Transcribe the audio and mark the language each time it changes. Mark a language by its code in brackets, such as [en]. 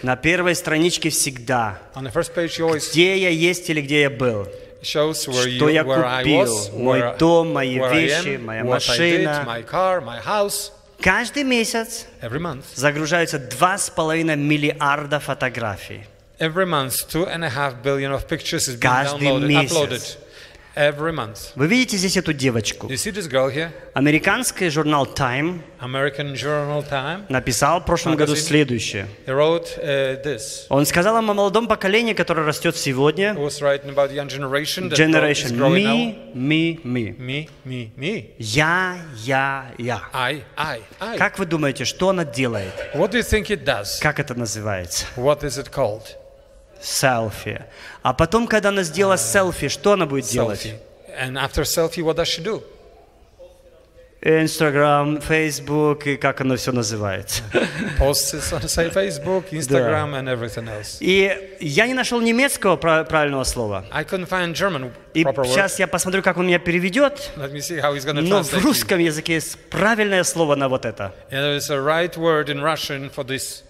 [ru] На первой страничке всегда. [en] On the first page, always. [ru] Где я есть или где я был. [en] Shows where [ru] что [en] you, where [ru] я купил. [en] I was, [ru] мой [en] where, [ru] дом, мои вещи, [en] am, [ru] моя машина. [en] Did, my car, my house. [ru] Каждый месяц. [en] Every month. [ru] Загружаются 2.5 миллиарда фотографий. [en] Every month, 2.5 billion of pictures is being uploaded. Every month. [ru] Вы видите здесь эту девочку? [en] You see this girl here? [ru] Американский журнал Time. [en] American Journal Time. [ru] Написал в прошлом году следующее. [en] He wrote this. [ru] Он сказал о молодом поколении, которое растет сегодня. [en] He was writing about the young generation. Generation. That is growing me, now. Me, me. Me, me, me. [ru] Я. [en] I. [ru] Как вы думаете, что она делает? [en] What do you think it does? [ru] Как это называется? [en] What is it called? [ru] Селфи. А потом, когда она сделала селфи, что она будет делать? [en] And after selfie, what does she do? [ru] Instagram, Facebook, и как оно все называется. [en] Posts on Facebook, Instagram, and everything else. [ru] И я не нашел немецкого правильного слова. [en] I couldn't find German proper word. [ru] И сейчас я посмотрю, как он меня переведет. [en] Let me see how he's gonna translate. [ru] Но в русском языке есть правильное слово на вот это. [en] And there is a right word in Russian for this.